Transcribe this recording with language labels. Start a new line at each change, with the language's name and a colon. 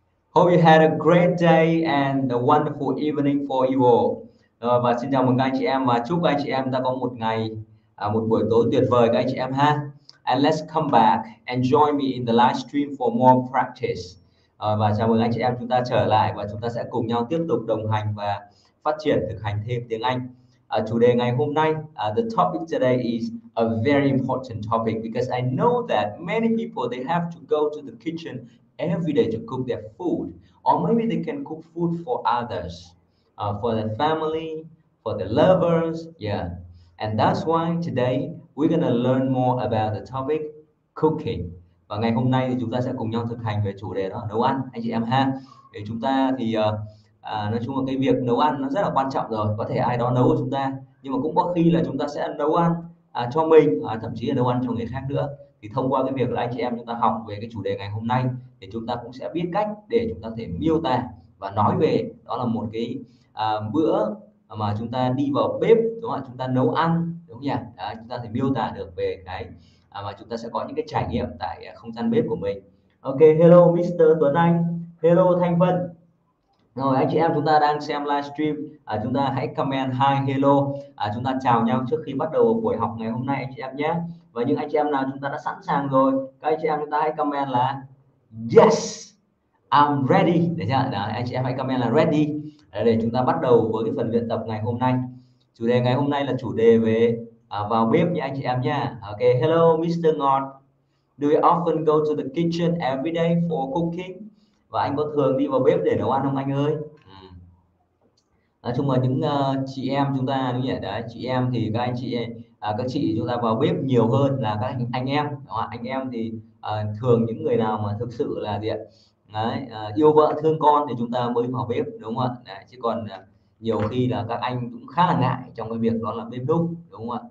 English: Hope you had a great day and a wonderful evening for you all.
Vietnamese: Và xin chào mừng anh chị em và chúc anh chị em đã có một ngày, một buổi tối tuyệt vời các anh chị em ha.
English: And let's come back and join me in the live stream for more practice.
Vietnamese: Và chào mừng anh chị em chúng ta trở lại và chúng ta sẽ cùng nhau tiếp tục đồng hành và phát triển thực hành thêm tiếng Anh. Chủ đề ngày hôm nay,
English: the topic today is a very important topic because I know that many people they have to go to the kitchen every day to cook their food, or maybe they can cook food for others, for their family, for their lovers, yeah. And that's why today we're gonna learn more about the topic cooking.
Vietnamese: Và ngày hôm nay thì chúng ta sẽ cùng nhau thực hành về chủ đề đó, nấu ăn, anh chị em ha. Để chúng ta thì nói chung là cái việc nấu ăn nó rất là quan trọng rồi, có thể ai đó nấu cho chúng ta, nhưng mà cũng có khi là chúng ta sẽ nấu ăn cho mình, thậm chí là nấu ăn cho người khác nữa. Thì thông qua cái việc là anh chị em chúng ta học về cái chủ đề ngày hôm nay thì chúng ta cũng sẽ biết cách để chúng ta có thể miêu tả và nói về đó là một cái bữa mà chúng ta đi vào bếp, đúng không ạ, chúng ta nấu ăn, đúng không nhỉ? Đó, chúng ta thể miêu tả được về cái mà chúng ta sẽ có những cái trải nghiệm tại không gian bếp của mình.
English: Ok, hello Mr. Tuấn Anh, hello Thanh Vân.
Vietnamese: Rồi anh chị em chúng ta đang xem livestream, chúng ta hãy comment
English: hi hello,
Vietnamese: chúng ta chào nhau trước khi bắt đầu buổi học ngày hôm nay anh chị em nhé. Và những anh chị em nào chúng ta đã sẵn sàng rồi, các anh chị em chúng ta hãy comment là
English: yes, I'm ready,
Vietnamese: được chưa? Anh chị em hãy comment là ready để chúng ta bắt đầu với cái phần luyện tập ngày hôm nay. Chủ đề ngày hôm nay là chủ đề về vào bếp nhé anh chị em nha.
English: Ok, hello Mr. Ngọt. Do you often go to the kitchen every day for cooking?
Vietnamese: Và anh có thường đi vào bếp để nấu ăn không anh ơi? Nói chung là những chị em chúng ta đúng nhỉ? Đấy, chị em thì các anh chị các chị chúng ta vào bếp nhiều hơn là các anh em, đúng không? Anh em thì thường những người nào mà thực sự là gì ạ? Đấy, yêu vợ thương con thì chúng ta mới vào bếp, đúng không ạ? Đấy, chứ còn nhiều khi là các anh cũng khá là ngại trong cái việc đó là bếp núc, đúng không ạ?